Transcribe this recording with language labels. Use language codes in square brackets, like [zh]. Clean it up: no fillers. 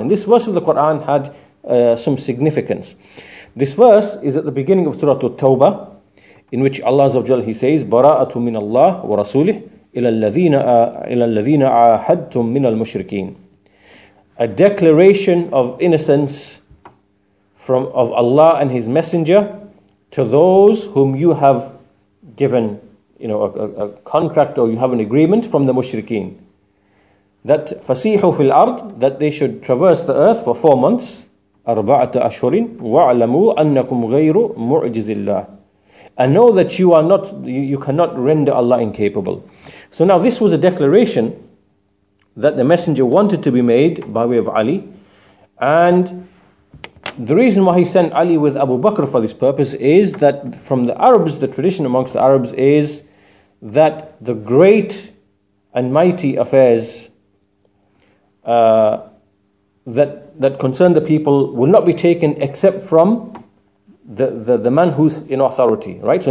[en] And this verse of the Quran had some significance. This verse is at the beginning of Surah At-Tawbah, in which Allah Azza wa Jalla, he says, [ar] بَرَاءَةٌ مِنَ اللَّهِ وَرَسُولِهِ إِلَى الَّذِينَ عَاهَدْتُمْ مِنَ الْمُشْرِكِينَ. [en] A declaration of innocence of Allah and His Messenger to those whom you have given, you know, a contract, or you have an agreement from the mushrikeen. That [ar] فَسِيحُوا فِي الْأَرْضِ, [en] that they should traverse the earth for 4 months, [ar] أَرْبَعَةَ أَشْهُرٍ وَعْلَمُوا أَنَّكُمْ غَيْرُ مُعْجِزِ اللَّهِ. [en] And know that you are not, you cannot render Allah incapable. So now this was a declaration that the Messenger wanted to be made by way of Ali. And the reason why he sent Ali with Abu Bakr for this purpose is that from the Arabs, the tradition amongst the Arabs is that the great and mighty affairs that concern the people will not be taken except from the man who's in authority, right?